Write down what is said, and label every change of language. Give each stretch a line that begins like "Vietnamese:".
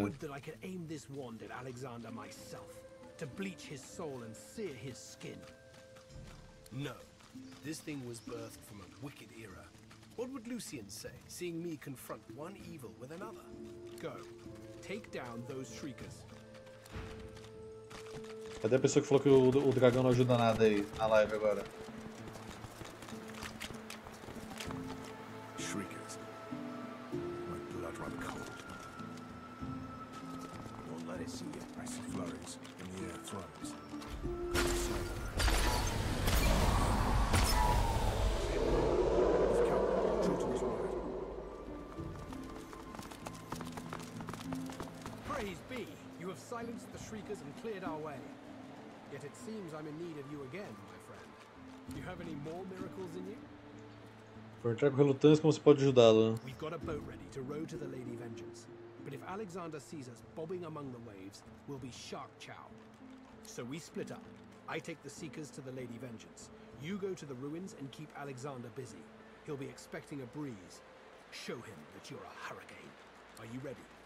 English: Would that I could aim this wand at Alexander myself, to bleach his soul and sear his skin. No, this thing was birthed from a wicked era. What would Lucien say, seeing me confront one evil with another? Go, take down those Shriekers.
Portuguese: Cadê a pessoa que falou que o dragão não ajuda nada aí na live agora?
English: Shriekers. My blood run cold. Won't let it see you. I see flurries in the air flurries. Praise be! You have silenced the Shriekers and cleared our way. Yet it seems I'm in need of you again, my friend. Do you have any more miracles in you?
Portuguese: Por entrar com relutância, como você pode ajudá-lo?
English: We've got a boat ready to row to the Lady Vengeance. But if Alexander sees us bobbing among the waves, we'll be shark chow. So we split up. I take the Seekers to the Lady Vengeance. You go to the ruins and keep Alexander busy. He'll be expecting a breeze. Show him that you're a hurricane. Are you ready?